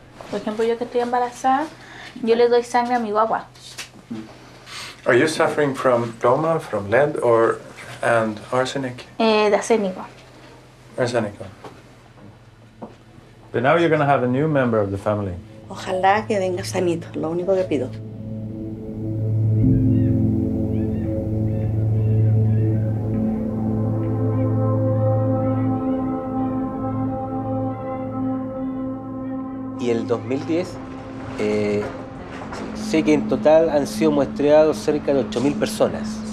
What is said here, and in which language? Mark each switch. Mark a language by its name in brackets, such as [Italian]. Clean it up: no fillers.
[Spanish] Por ejemplo, yo que estoy embarazada, yo le doy sangre a mi guagua. [English] Are you suffering from ploma, from lead or and arsenic? [Spanish] De arsénico. Arsénico. [English] But now you're going to have a new member of the family. [Spanish] Ojalá que venga sanito, lo único que pido. Y el 2010, sé que en total han sido muestreados cerca de 8.000 personas.